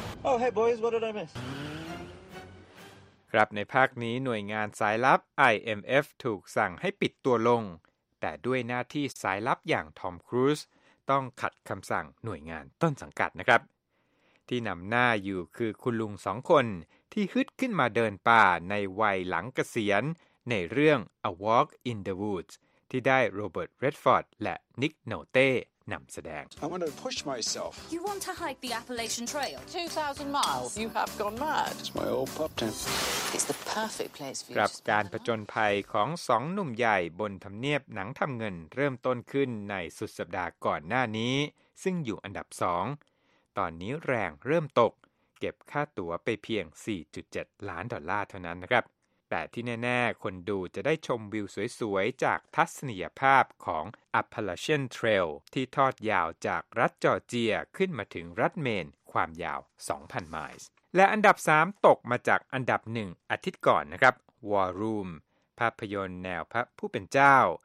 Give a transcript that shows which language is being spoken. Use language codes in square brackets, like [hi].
[en] Oh hey boys what did I miss [th] ครับในภาคนี้หน่วยงานสายลับ IMF ถูกสั่งให้ปิดตัวลงแต่ด้วยหน้าที่สายลับอย่างทอมครูซต้องขัดคำสั่งหน่วยงานต้นสังกัดนะครับที่นำหน้าอยู่คือคุณลุง2คนที่ฮึดขึ้นมาเดินป่าในวัยหลังเกษียณในเรื่อง A Walk in the Woods ที่ได้โรเบิร์ตเรดฟอร์ดและนิกโนเต้นำแสดง [en] I want to push myself. You want to hike the Appalachian Trail 2,000 miles. You have gone mad. It's my old pop tent. It's the perfect place for you. [th] รับการผจญภัยของ2หนุ่มใหญ่บนทำเนียบหนังทำเงินเริ่มต้นขึ้นในสุดสัปดาห์ก่อนหน้านี้ซึ่งอยู่อันดับ2ตอนนี้แรงเริ่มตกเก็บค่าตั๋วไปเพียง 4.7 ล้านดอลลาร์เท่านั้นนะครับแต่ที่แน่ๆคนดูจะได้ชมวิวสวยๆจากทัศนียภาพของ Appalachian Trail ที่ทอดยาวจากรัฐจอร์เจียขึ้นมาถึงรัฐเมนความยาว 2,000 ไมล์และอันดับ3ตกมาจากอันดับ1อาทิตย์ก่อนนะครับ War Room ภาพยนตร์แนวพระผู้เป็นเจ้า